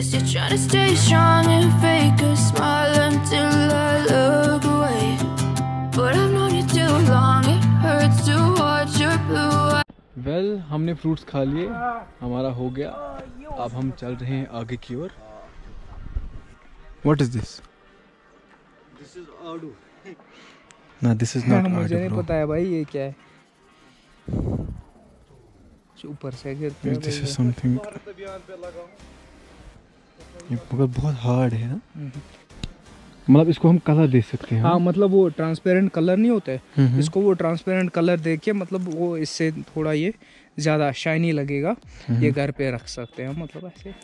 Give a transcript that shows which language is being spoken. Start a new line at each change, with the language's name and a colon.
English: Trying to stay strong and fake a smile until I look away. But I've known you too long, it hurts to watch your blue eyes.
Hindi: Well, हमने fruits खा लिए, हमारा हो गया। अब हम चल रहे हैं आगे की ओर।
English: What is this? This is आड़ू। No, this is not आड़ू, bro.
Hindi: मुझे नहीं पता है भाई ये क्या है। ऊपर से गिरते
English: हैं। This is something.
Hindi: ये मगर बहुत हार्ड है ना, मतलब इसको हम कलर दे सकते हैं। हाँ, मतलब वो ट्रांसपेरेंट कलर नहीं होता है, इसको वो ट्रांसपेरेंट कलर देके मतलब वो इससे थोड़ा ये ज्यादा शाइनी लगेगा, ये घर पे रख सकते हैं मतलब ऐसे।